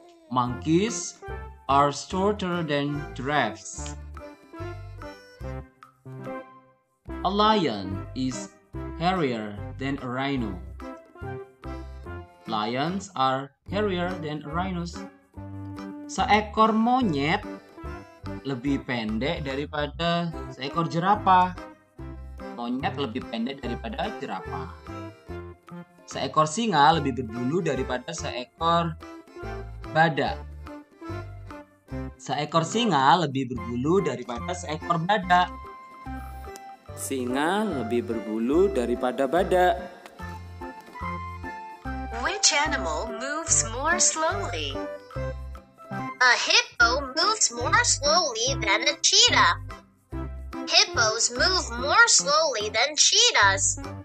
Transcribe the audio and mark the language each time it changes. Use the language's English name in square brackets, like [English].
[English] Monkeys are shorter than giraffes. A lion is hairier than a rhino. Lions are hairier than rhinos. [Indonesian] Seekor monyet lebih pendek daripada seekor jerapah. Monyet lebih pendek daripada jerapah. Seekor singa lebih berbulu daripada seekor badak. Seekor singa lebih berbulu daripada seekor badak. Singa lebih berbulu daripada badak. [English] Which animal moves more slowly? A hippo moves more slowly than a cheetah. Hippos move more slowly than cheetahs.